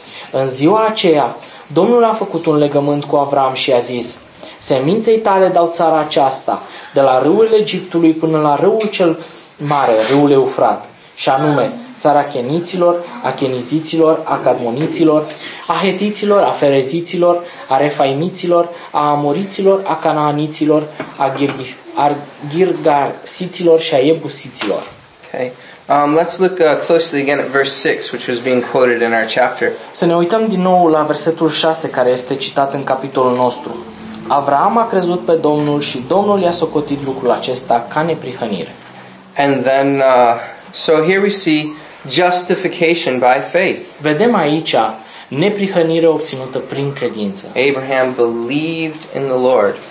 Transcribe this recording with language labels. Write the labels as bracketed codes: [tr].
[ro] În ziua aceea, Domnul a făcut un legământ cu Avram și i-a zis: seminței tale dau țara aceasta, de la râul Egiptului până la râul cel mare, râul Eufrat, și anume țara cheniților, a cheniziților, a cadmoniților, a hetiților, a fereziților, a refaimiților, a amoriților, a canaaniților, a girgarsiților și a ebusiților. [en] Okay. Let's look closely again at verse 6, which was being quoted in our chapter. [ro] Să ne uităm din nou la versetul 6 care este citat în capitolul nostru. Avraam a crezut pe Domnul și Domnul i-a socotit lucrul acesta ca neprihănire. [en] And then so here we see justification by faith. [ro] Vedem aici neprihănirea obținută prin credință. [en] Abraham believed in the Lord.